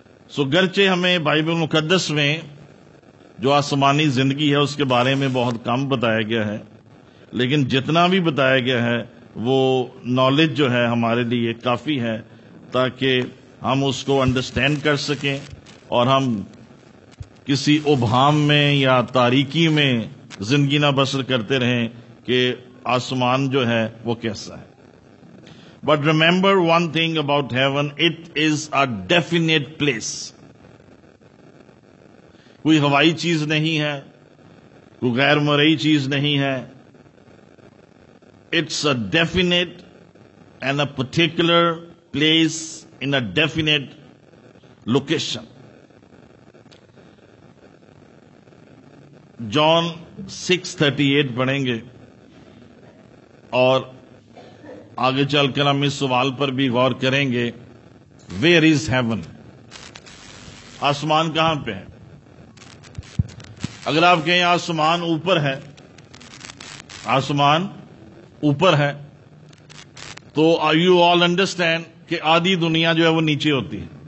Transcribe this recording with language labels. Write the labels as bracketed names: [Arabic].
[Urdu] سو گرچہ ہمیں بائبل مقدس میں جو آسمانی زندگی ہے اس کے بارے میں بہت کم بتایا گیا ہے, لیکن جتنا بھی بتایا گیا ہے وہ نالج جو ہے ہمارے لیے کافی ہے تاکہ ہم اس کو انڈرسٹینڈ کر سکیں اور ہم کسی ابہام میں یا تاریکی میں زندگی نہ بسر کرتے رہیں کہ آسمان جو ہے وہ کیسا ہے. [English] But remember one thing about heaven, it is a definite place. [Urdu] کوئی ہوائی چیز نہیں ہے, کوئی غیر مرئی چیز نہیں ہے. [English] It's a definite and a particular place in a definite location. [Urdu] John 6:38 پڑھیں گے اور آگے چل کر ہم اس سوال پر بھی غور کریں گے, [English] Where is heaven? [Urdu] آسمان کہاں پہ ہے؟ اگر آپ کہیں آسمان اوپر ہے, آسمان اوپر ہے, تو [English] you all understand [Urdu] کہ آدھی دنیا جو ہے وہ نیچے ہوتی ہے.